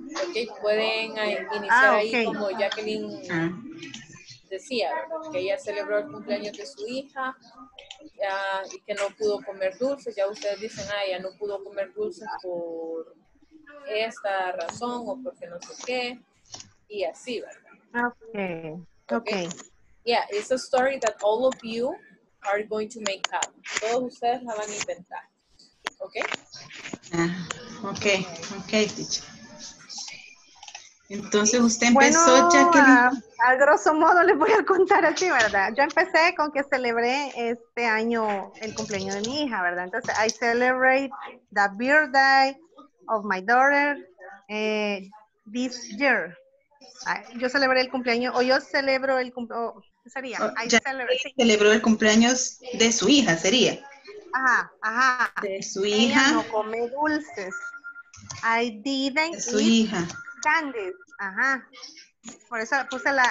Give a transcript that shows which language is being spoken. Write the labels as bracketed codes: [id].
[es] Okay, pueden iniciar ahí como Jacqueline decía, que ella celebró el cumpleaños de su hija y que no pudo comer dulces. Ya ustedes dicen, ah, ella no pudo comer dulces por esta razón o porque no sé qué. Y así, ¿verdad? Okay. [en] Yeah, it's a story that all of you are going to make up. [es] Todos ustedes la van a inventar. Okay. [en] Okay, teacher. [es] Entonces usted empezó, Jacqueline. Bueno, a grosso modo les voy a contar así, ¿verdad? Yo empecé con que celebré este año el cumpleaños de mi hija, ¿verdad? [en] Entonces, I celebrate the birthday of my daughter this year. [es] Yo celebré el cumpleaños, o yo celebro el cumpleaños, sería. Jacqueline celebró el cumpleaños de su hija, sería. Ajá. De su hija. Ella no come dulces. [en] I didn't eat [es] su hija. Candies. Ajá. Por eso puse la